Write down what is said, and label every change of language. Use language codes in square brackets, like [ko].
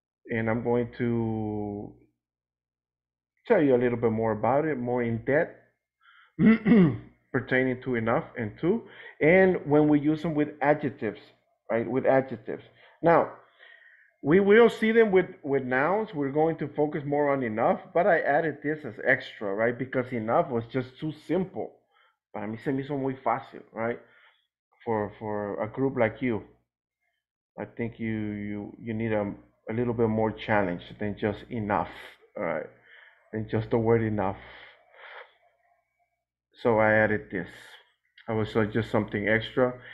[en] And I'm going to tell you a little bit more about it, more in depth, pertaining to enough and to, and when we use them with adjectives, right? With adjectives. Now, we will see them with nouns. We're going to focus more on enough, but I added this as extra, right? Because enough was just too simple. [es] Para mí se me hizo muy fácil, right? [en] For a group like you, I think you need a little bit more challenge than just enough, all right? And just the word enough. So I added this. I was just something extra.